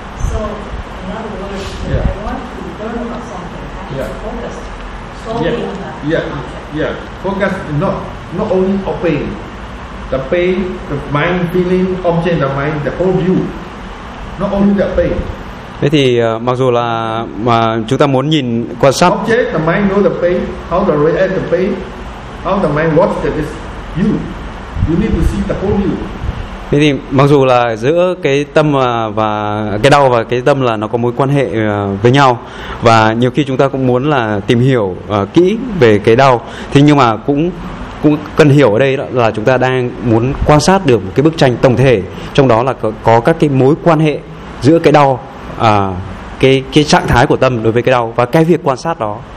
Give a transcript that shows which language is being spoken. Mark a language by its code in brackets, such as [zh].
[en] So in other words, I want to learn about something, focus solely on that object. Focus not only on pain. The pain, the mind feeling, object, the mind, the whole view. Not only the pain. [vi] Thế thì mặc dù là mà chúng ta muốn nhìn quan sát [en] object, the mind know the pain, how to react the pain, how the mind watch this you. You need to see the whole you. [vi] Thế thì mặc dù là giữa cái tâm và cái đau và cái tâm là nó có mối quan hệ với nhau, và nhiều khi chúng ta cũng muốn là tìm hiểu kỹ về cái đau, thế nhưng mà cũng cần hiểu ở đây đó là chúng ta đang muốn quan sát được một cái bức tranh tổng thể, trong đó là có các cái mối quan hệ giữa cái đau, cái trạng thái của tâm đối với cái đau và cái việc quan sát đó.